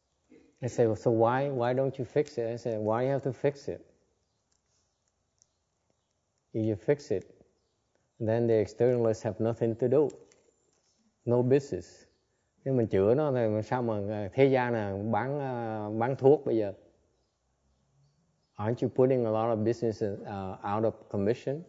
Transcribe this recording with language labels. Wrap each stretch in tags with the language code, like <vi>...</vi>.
<en>See? I say, well, so why don't you fix it? I say, why you have to fix it? If you fix it, then the externalists have nothing to do. No business.</en> <vi>Nếu mình chữa nó thì sao mà thế gian là bán thuốc bây giờ?</vi> <en>Aren't you putting a lot of business out of commission?</en>